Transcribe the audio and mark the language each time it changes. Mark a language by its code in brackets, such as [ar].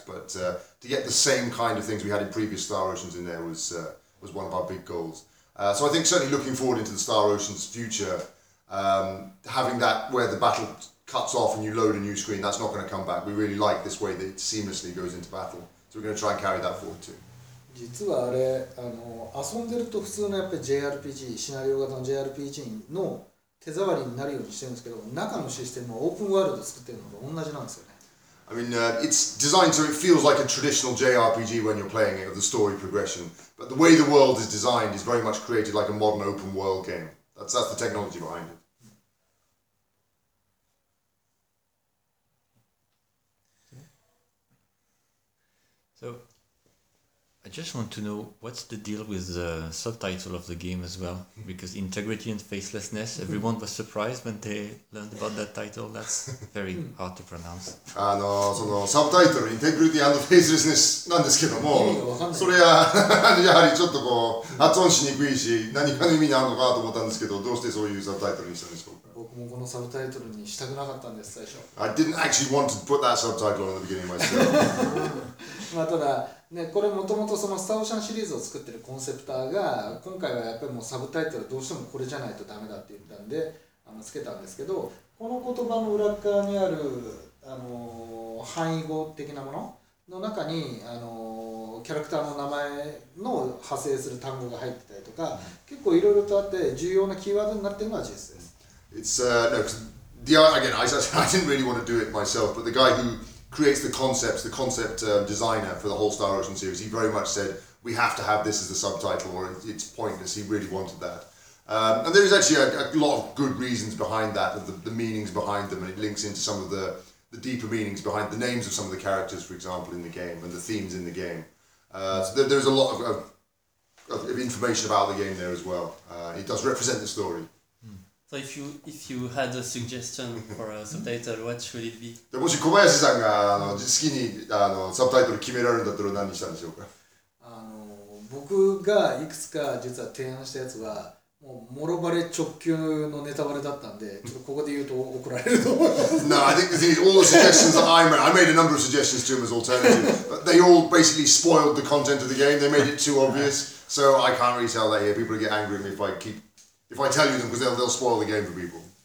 [en] But to get the same kind of things we had in previous Star Oceans in there was one of our big goals. So I think certainly looking forward into the Star Ocean's future, having that where the battle cuts off and you load a new screen, that's not going to come back. We really like this way that it seamlessly goes into battle. So we're going to try and carry that forward too. [ja] 実はあれ、遊んでると普通のやっぱり JRPG、シナリオ型の JRPG の手触りになるようにしてるんですけど、中のシステムはオープンワールド作ってるのと同じなんですよね。 [en] I mean, it's designed so it feels like a traditional JRPG when you're playing it, or the story progression. But the way the world is designed is very much created like a modern open world game. That's the technology behind it. So, I just want to know what's the deal with the subtitle of the game as well? Because Integrity and Facelessness, everyone was surprised when they learned about that title. That's very hard to pronounce. [ja] その subtitle, Integrity and Facelessness なんですけども、それはやはりちょっとこう発音しにくいし、何かの意味があるのかと思ったんですけど、どうしてそういう subtitle にしたんですか？僕もこのサブタイトルにしたくなかったんです、最初。 [en] I didn't actually want to put that subtitle in the beginning myself. [ja] まあただ、ね、これもともとそのスターオーシャンシリーズを作ってるコンセプターが、今回はやっぱりもうサブタイトルどうしてもこれじゃないとダメだって言ったんで、つけたんですけど、この言葉の裏側にある、範囲語的なものの中に、キャラクターの名前の派生する単語が入ってたりとか、結構いろいろとあって重要なキーワードになってるのは事実です。 [en] It's I didn't really want to do it myself, but the guy who creates the concepts, the concept designer for the whole Star Ocean series, he very much said we have to have this as a subtitle or it's pointless. He really wanted that, and there is actually a lot of good reasons behind that, of the meanings behind them, and it links into some of the deeper meanings behind the names of some of the characters, for example, in the game and the themes in the game. So there's a lot of information about the game there as well. It does represent the story. So if you had a suggestion for a subtitle, what should it be? [ja] でもし小林さんが好きにサブタイトル決められるんだったら何にしたんでしょうか？僕がいくつか実は提案したやつはもうモロバレ直球のネタバレだったんで、ちょっとここで言うと怒られると思います。 [en] No, I think all the suggestions that I made a number of suggestions to him as alternative, but they all basically spoiled the content of the game. They made it too obvious, so I can't really tell that here. People get angry at me if I tell you them, because they'll spoil the game for people.